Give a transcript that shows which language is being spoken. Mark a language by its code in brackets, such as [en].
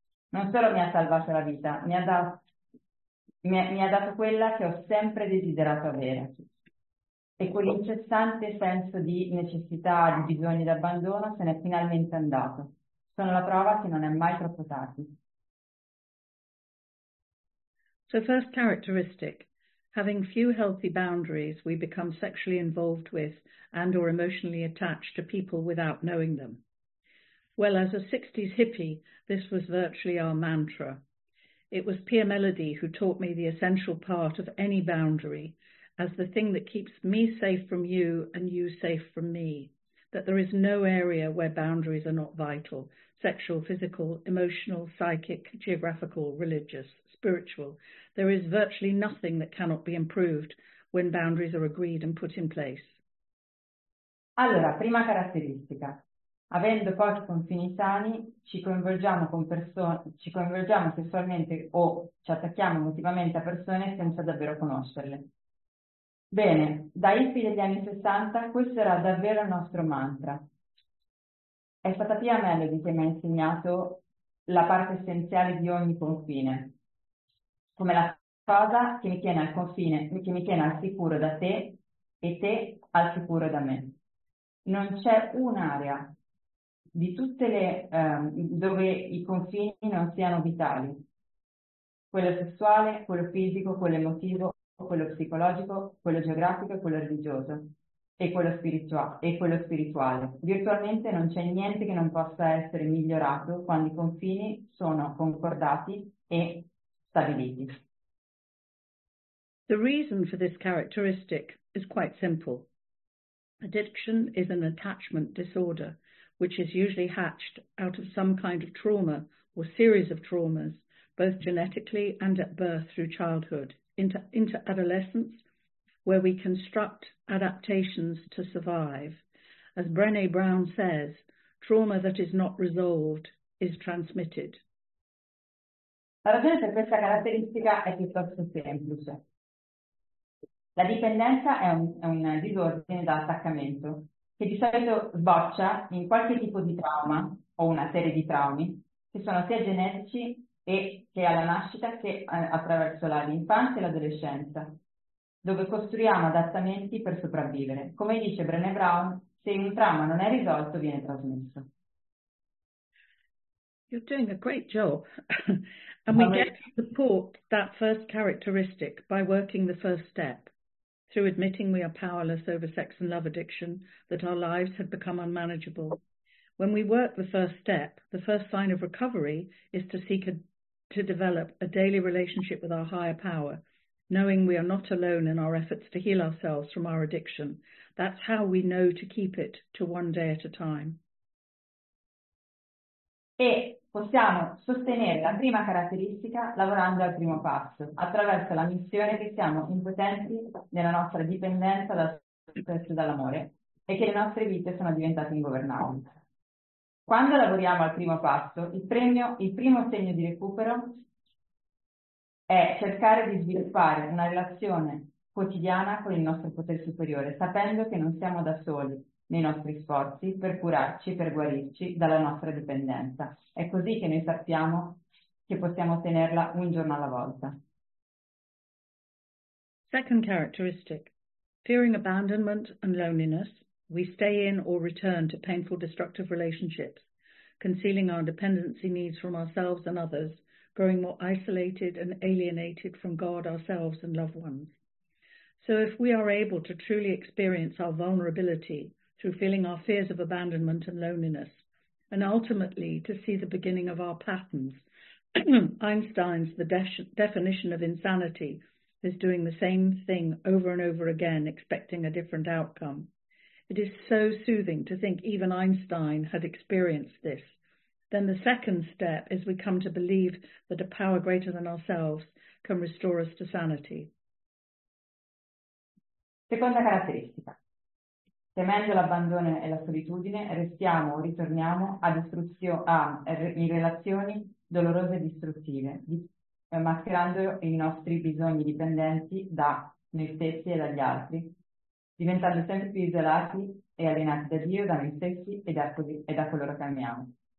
[it] Non solo mi ha salvato la vita, mi ha dato quella che ho sempre desiderato avere. E quell'incessante senso di necessità, di bisogno e di abbandono se n'è finalmente andato. Sono la prova che non è mai troppo tardi. [en] So first characteristic, having few healthy boundaries, we become sexually involved with and or emotionally attached to people without knowing them. Well, as a 60s hippie, this was virtually our mantra. It was Pia Melody who taught me the essential part of any boundary as the thing that keeps me safe from you and you safe from me, that there is no area where boundaries are not vital, sexual, physical, emotional, psychic, geographical, religious, spiritual. There is virtually nothing that cannot be improved when boundaries are agreed and put in place. [it] Allora, prima caratteristica. Avendo pochi confini sani, ci coinvolgiamo sessualmente o ci attacchiamo emotivamente a persone senza davvero conoscerle. Bene, da hippie degli anni 60 questo era davvero il nostro mantra. È stata Pia Melody che mi ha insegnato la parte essenziale di ogni confine, come la cosa che mi tiene al confine, che mi tiene al sicuro da te e te al sicuro da me. non c'è un'area di tutte le dove i confini non siano vitali, quello sessuale, quello fisico, quello emotivo, quello psicologico, quello geografico, quello religioso e quello spirituale. Virtualmente non c'è niente che non possa essere migliorato quando i confini sono concordati e stabiliti. [en] The reason for this characteristic is quite simple. Addiction is an attachment disorder, which is usually hatched out of some kind of trauma or series of traumas, both genetically and at birth through childhood, into adolescence, where we construct adaptations to survive. As Brené Brown says, trauma that is not resolved is transmitted. [it] La ragione per questa caratteristica è piuttosto semplice. La dipendenza è un disordine da attaccamento, che di solito sboccia in qualche tipo di trauma o una serie di traumi, che sono sia genetici e che alla nascita che attraverso l'infanzia e l'adolescenza, dove costruiamo adattamenti per sopravvivere. Come dice Brené Brown, se un trauma non è risolto, viene trasmesso. [en] You're doing a great job. And we get to support that first characteristic by working the first step through admitting we are powerless over sex and love addiction, that our lives have become unmanageable. When we work the first step, the first sign of recovery is to develop a daily relationship with our higher power, knowing we are not alone in our efforts to heal ourselves from our addiction. That's how we know to keep it to one day at a time. [it] E possiamo sostenere la prima caratteristica lavorando al primo passo, attraverso la missione che siamo impotenti nella nostra dipendenza dal sesso e dall'amore e che le nostre vite sono diventate ingovernabili. Quando lavoriamo al primo passo, il primo segno di recupero è cercare di sviluppare una relazione quotidiana con il nostro potere superiore, sapendo che non siamo da soli nei nostri sforzi per curarci, per guarirci dalla nostra dipendenza. È così che noi sappiamo che possiamo tenerla un giorno alla volta. [en] Second characteristic. Fearing abandonment and loneliness, we stay in or return to painful destructive relationships, concealing our dependency needs from ourselves and others, growing more isolated and alienated from God, ourselves and loved ones. So if we are able to truly experience our vulnerability through feeling our fears of abandonment and loneliness, and ultimately to see the beginning of our patterns. Einstein's definition of insanity is doing the same thing over and over again, expecting a different outcome. It is so soothing to think even Einstein had experienced this. Then the second step is we come to believe that a power greater than ourselves can restore us to sanity. [it] Seconda caratteristica. Temendo l'abbandono e la solitudine, restiamo o ritorniamo in relazioni dolorose e distruttive, mascherando i nostri bisogni dipendenti da noi stessi e dagli altri, diventando sempre più isolati e alienati da Dio, da noi stessi e da coloro che amiamo.